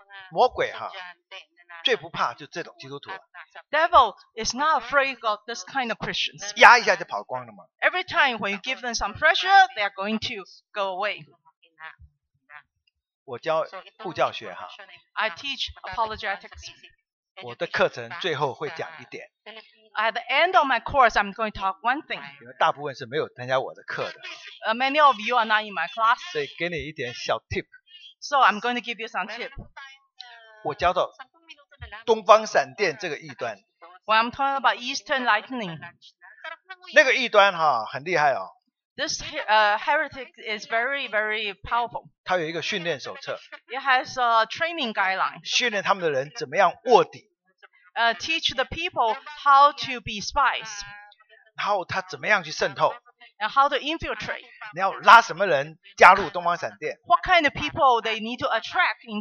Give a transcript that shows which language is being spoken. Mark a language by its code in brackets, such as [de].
[zh] 魔鬼哈，最不怕就这种基督徒。 [en] Devil is not afraid of this kind of Christians. [zh] 压一下就跑光了嘛。 [en] Every time when you give them some pressure, they are going to go away. [zh] 我教护教学哈。 [en] I teach apologetics. [zh] 我的课程最后会讲一点。 [en] At the end of my course, I'm going to talk one thing. [zh] 你们大部分是没有参加我的课的。 [en] Many of you are not in my class. [zh] 所以给你一点小 tip. [en] So I'm going to give you some tip. [zh] 我教到东方闪电这个异端。 [en] When I'm talking about Eastern Lightning. [zh] 那个异端哈很厉害哦。 [en] This heretic is very, very powerful. [zh] 他有一个训练手册。 [en] It has a training guideline. [zh] 训练他们的人怎么样卧底。 [en] Teach the people how to be spies. [zh] 然后他怎么样去渗透。 [en] And how to infiltrate. [zh] 你要拉什么人加入东方闪电。 [en] What kind of people they need to attract into Eastern